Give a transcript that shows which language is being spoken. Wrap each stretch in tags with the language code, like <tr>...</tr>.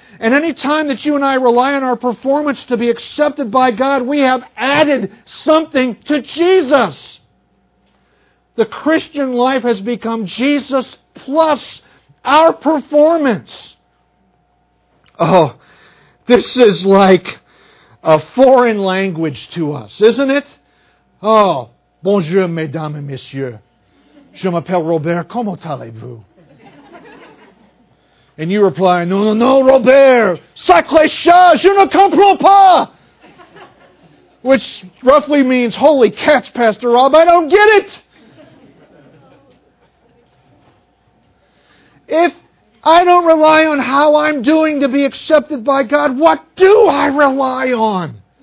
<en>And any time that you and I rely on our performance to be accepted by God, we have added something to Jesus. The Christian life has become Jesus plus our performance. Oh, this is like a foreign language to us, isn't it?</en> <fr>Oh, bonjour, mesdames et messieurs. Je m'appelle Robert. Comment allez-vous? And you reply, no, no, no, Robert. Sacré chat, je ne comprends pas.</fr> <en>Which roughly means, holy cats, Pastor Rob, I don't get it. If I don't rely on how I'm doing to be accepted by God, what do I rely on?</en>